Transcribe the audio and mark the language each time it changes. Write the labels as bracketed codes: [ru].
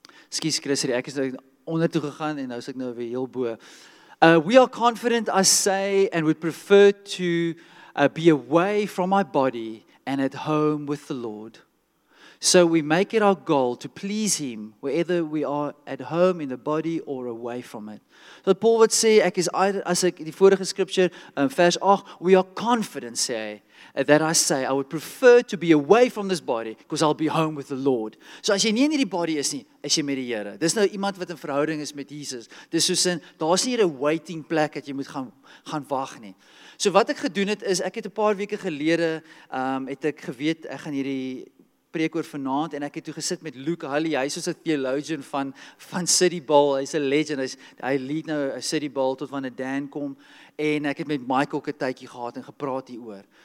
[af] Skies Chris, ek is nou onder toe gegaan en nou is ek nou weer heel bo. [en] We are confident, I say, and would prefer to be away from my body and at home with the Lord. So we make it our goal to please him, whether we are at home in the body or away from it. So Paul would say, [af] ek is, as ek die vorige scripture, vers 8, [en] we are confident, say, that I say, I would prefer to be away from this body, because I'll be home with the Lord. [af] So as jy nie in die body is nie, is jy met die Here. Dis nou iemand wat in verhouding is met Jesus. Dis soos in, daar is nie hier 'n waiting plek dat jy moet gaan wag nie. So wat ek gedoen het, is ek het 'n paar weke gelede, het ek geweet, ek gaan hierdie preek oor vanaand, en ek het toe gesit met Luke Hulley, hy is soos 'n theologian van City Bowl, hy is 'n legend, hy lead nou City Bowl tot wanneer Dan kom, en ek het met Michael Katijkie gehad en gepraat hieroor.